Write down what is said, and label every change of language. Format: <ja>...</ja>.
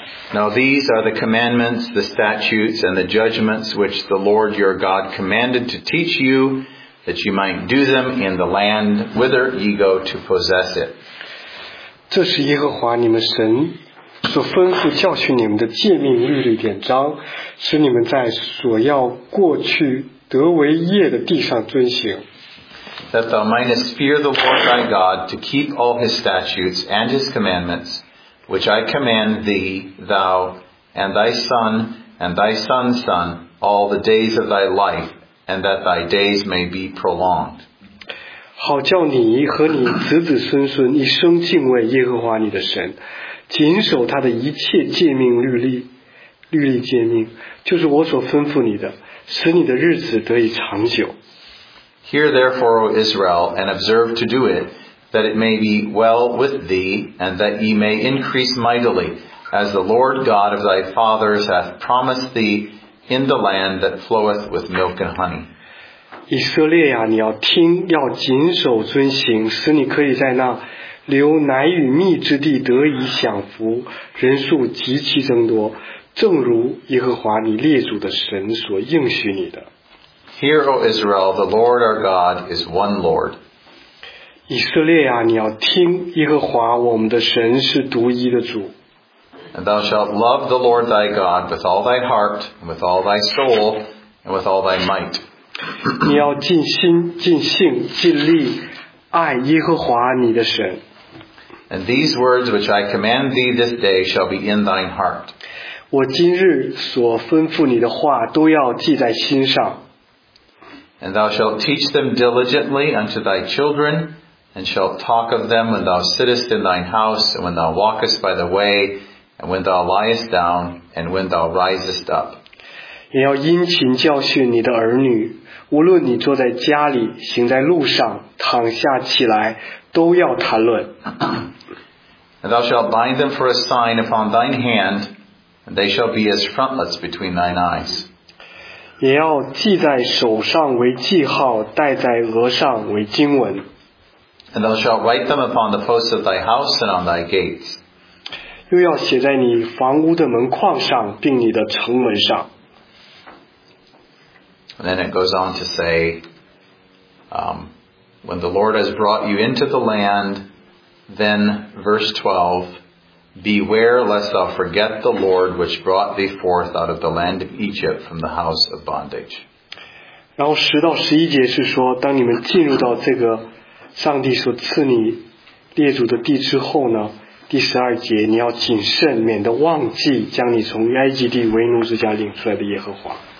<en>Now these are the commandments, the statutes, and the judgments which the Lord your God commanded to teach you, that you might do them in the land whither ye go to possess it.</en> <zh>这是耶和华你们神所吩咐教训你们的诫命律例典章，使你们在所要过去得为业的地上遵行。</zh> <en>That thou mightest fear the Lord thy God to keep all his statutes and his commandments. Which I command thee, thou, and thy son, and thy son's son, all the days of thy life, and that thy days may be prolonged.</en> <zh>好叫你和你子子孙孙一生敬畏耶和华你的神，谨守他的一切诫命律例，律例诫命，就是我所吩咐你的，使你的日子得以长久。</zh> <en>Hear therefore, O Israel, and observe to do it. That it may be well with thee, and that ye may increase mightily, as the Lord God of thy fathers hath promised thee in the land that floweth with milk and honey.</en> <zh>以色列呀，你要听，要谨守遵行，使你可以在那流奶与蜜之地得以享福，人数极其增多，正如耶和华你列祖的神所应许你的。</zh> <en>Hear, O Israel, the Lord our God is one Lord.</en> <zh>以色列啊，你要听，耶和华我们的神是独一的主。</zh> <en>And thou shalt love the Lord thy God with all thy heart, with all thy soul, and with all thy might.</en> <zh>你要尽心、尽性、尽力爱耶和华你的神。</zh> <en>And these words which I command thee this day shall be in thine heart.</en> <zh>我今日所吩咐你的话都要记在心上。</zh> <en>And thou shalt teach them diligently unto thy children. And shalt talk of them when thou sittest in thine house, and when thou walkest by the way, and when thou liest down, and when thou risest up.</en> <zh>也要殷勤教训你的儿女，无论你坐在家里，行在路上，躺下起来，都要谈论。</zh> <en>And thou shalt bind them for a sign upon thine hand, and they shall be as frontlets between thine eyes.</en> <zh>也要记在手上为记号，戴在额上为经文。</zh> <en>And thou shalt write them upon the posts of thy house and on thy gates.</en> <zh>又要写在你房屋的门框上，并你的城门上。</zh> <en>And then it goes on to say, when the Lord has brought you into the land, then verse 12, beware lest thou forget the Lord which brought thee forth out of the land of Egypt from the house of bondage.</en> <zh>然后十到十一节是说，当你们进入到这个上帝所赐你列祖的地之后呢，第十二节你要谨慎，免得忘记将你从埃及地为奴之家领出来的耶和华。</zh>